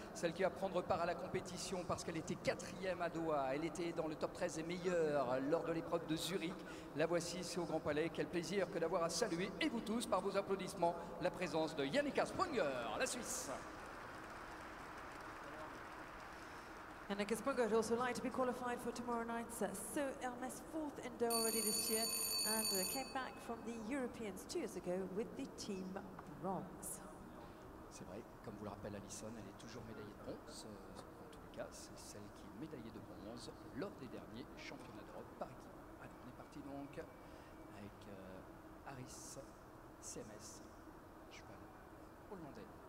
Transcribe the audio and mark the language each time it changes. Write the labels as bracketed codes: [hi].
[fr] Celle qui va prendre part à la compétition parce qu'elle était 4e à Doha. Elle était dans le top 13 et meilleure lors de l'épreuve de Zurich. La voici ici au Grand Palais. Quel plaisir que d'avoir à saluer, et vous tous, par vos applaudissements, la présence de Jannika Sprunger, la Suisse. [en] Jannika Sprunger would also like to be qualified for tomorrow night's So Hermes, fourth in Doha already this year, and came back from the Europeans 2 years ago with the team bronze. [fr] C'est vrai, comme vous le rappelle Alison, elle est toujours médaillée de bronze. En tous les cas, c'est celle qui est médaillée de bronze lors des derniers championnats d'Europe par équipe. Allez, on est parti donc avec Harris, CMS, cheval hollandais,